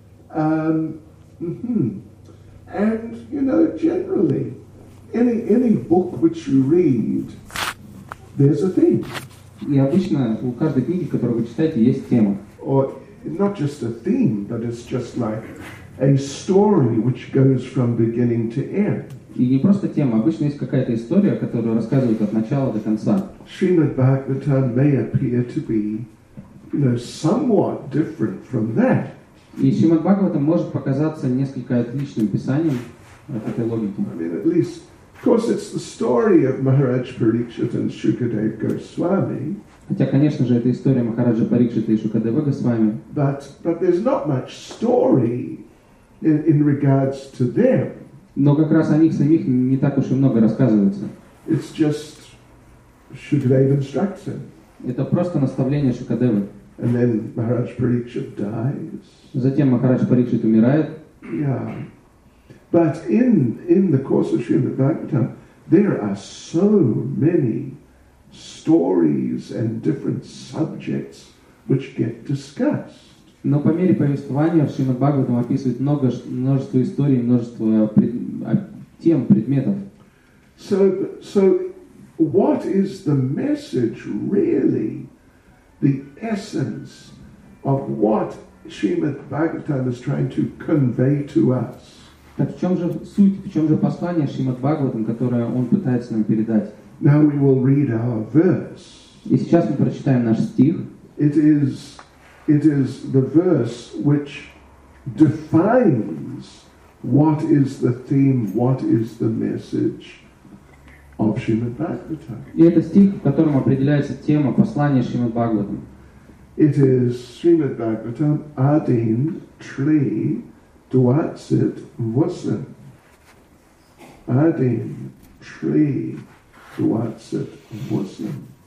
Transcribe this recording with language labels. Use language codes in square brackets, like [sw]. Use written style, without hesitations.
[en] And you know, generally, any book which you read, there's a theme. [ru] И обычно у каждой книги, которую вы читаете, есть тема. [en] Or not just a theme, but it's just like a story which goes from beginning to end. [ru] И не просто тема, обычно есть какая-то история, которую рассказывают от начала до конца. [en] Srimad Bhagavatam may appear to be, you know, somewhat different from that. [ru] И Srimad Bhagavatam может показаться несколько отличным писанием от этой логики. [en] I mean, at least, of course, it's the story of Maharaj Parikshit and Shukadev Goswami. [ru] Хотя, конечно же, это история Махараджа Парикшита и Шукадева Госвами. [en] But there's not much story in regards to them. [ru] Но как раз о них самих не так уж и много рассказывается. [en] It's just Shukadev instructs him. [ru] Это просто наставление Шукадевы. [en] And then Maharaj Parikshit dies. [ru] Затем Махарадж Парикшит умирает. [en] Yeah. But in the course of Srimad Bhagavatam, there are so many stories and different subjects which get discussed. [ru] Но по мере повествования Шримад Бхагаватам описывает множество историй, множество тем, предметов. [en] So what is the message really, the essence of what Srimad Bhagavatam is trying to convey to us? [ru] Так в чем же суть, в чем же послание Шримад Бхагаватам, которое он пытается нам передать? [en] Now we will read our verse. [ru] И сейчас мы прочитаем наш стих. [en] It is the verse which defines what is the theme, what is the message of Srimad Bhagavatam. [ru] И это стих, в котором определяется тема послания Шримад Бхагаватам. [en] It is Srimad Bhagavatam Adin Tri Dwatsit Vusan. Adin Tri Dwatsit Vusan.